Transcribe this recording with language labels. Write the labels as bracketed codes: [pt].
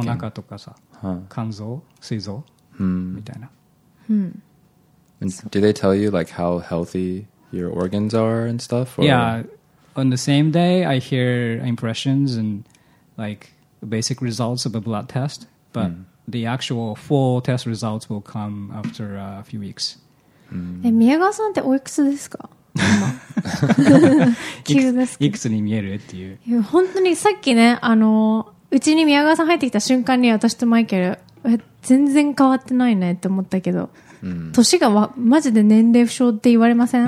[ja] お腹とかさ、肝臓、膵臓、みたいな。 [en] Do they tell you like how healthy your organs are and stuff? Or? Yeah, on the same day, I hear impressions and like basic results of a blood test. But、the actual full test results will come after a few weeks.、 [ja] え、宮川さんっておいくつですか？いくつに見えるっていう。いや、本当にさっきね、うちに宮川さん入ってきた瞬間に私とマイケル、全然変わってないねって思ったけど、年がマジで年齢不詳って言われません？